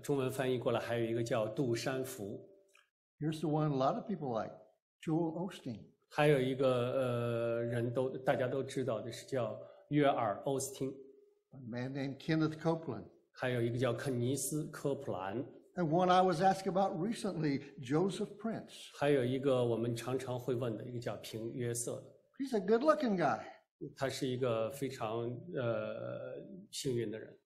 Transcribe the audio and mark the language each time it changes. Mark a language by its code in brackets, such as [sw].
[zh] 中文翻译过来还有一个叫杜山福。 [en] Here's the one a lot of people like, Joel Osteen. [zh] 还有一个人都大家都知道的是叫约尔·欧斯汀。 [en] A man named Kenneth Copeland. [zh] 还有一个叫肯尼斯·科普兰。 [en] And one I was asked about recently, Joseph Prince. [zh] 还有一个我们常常会问的一个叫平约瑟。 [en] He's a good-looking guy. [zh] 他是一个非常幸运的人。